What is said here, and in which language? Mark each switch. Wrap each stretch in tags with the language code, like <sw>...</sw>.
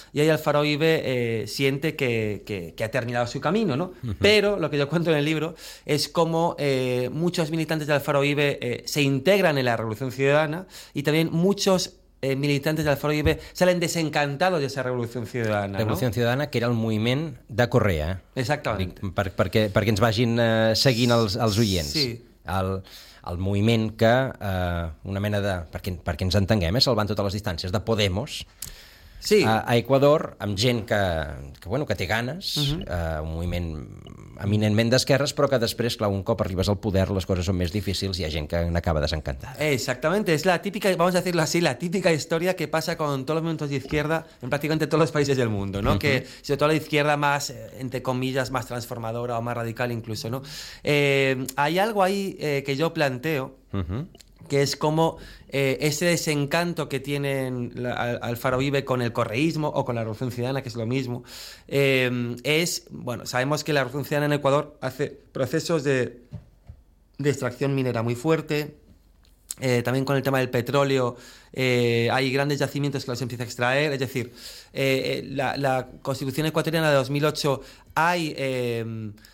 <es>Y ahí Alfaro Ibe siente que ha terminado su camino, ¿no? Uh-huh. Pero lo que yo cuento en el libro es cómo muchos militantes de Alfaro Ibe se integran en la Revolución Ciudadana, y también muchos militantes de Alfaro Ibe salen desencantados de esa Revolución Ciudadana. Revolución, ¿no? Ciudadana, que era el moviment de Correa. Exactamente.</es> <ca>Perquè ens vagin seguint els oients. Sí. El moviment que, una mena de, perquè ens entenguem, salvant totes les distàncies, de Podemos, sí, a Ecuador, amb gent que, bueno, que té ganes, un moviment eminentment d'esquerres, però que després, clar, un cop arribes al poder, les coses són més difícils i hi ha gent que n'acaba desencantada.</ca> <es>Exactamente, es la típica, vamos a decirlo así, la típica historia que pasa con todos los movimientos de izquierda en prácticamente todos los países del mundo, ¿no? Que sobre todo la izquierda más, entre comillas, más transformadora o más radical incluso, ¿no? Hay algo ahí que yo planteo, que es como ese desencanto que tienen Alfaro Ibe con el correísmo o con la Revolución Ciudadana, que es lo mismo, es, bueno, sabemos que la Revolución Ciudadana en Ecuador hace procesos de extracción minera muy fuerte, también con el tema del petróleo hay grandes yacimientos que los empieza a extraer, es decir, la Constitución ecuatoriana de 2008 hay...</es>